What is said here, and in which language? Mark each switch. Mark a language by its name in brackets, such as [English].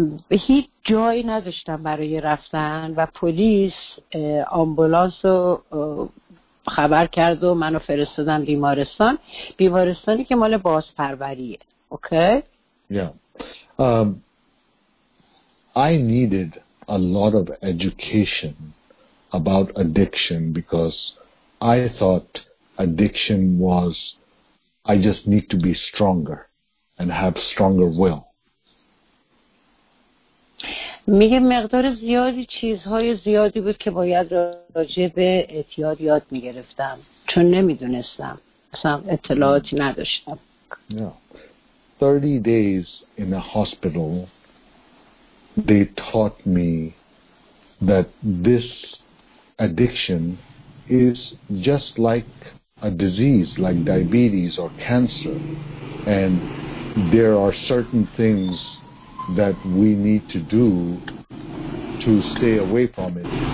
[Persian] هیچ جایی نداشتم برای رفتن و پلیس آمبولانس رو خبر کرد و منو فرستادن بیمارستان. بیمارستانی که مال بازپروریه. [English] Okay? I needed a lot of education about addiction because I thought addiction was I just need to be stronger and have stronger will. [Persian] میگه مقدار زیادی چیزهای زیادی بود که باید راجع به اعتیاد یاد میگرفتم چون نمیدونستم اصلا اطلاعاتی نداشتم. [English] 30 days in a hospital they taught me that this addiction is just like a disease like diabetes or cancer and there are certain things that we need to do to stay away from it.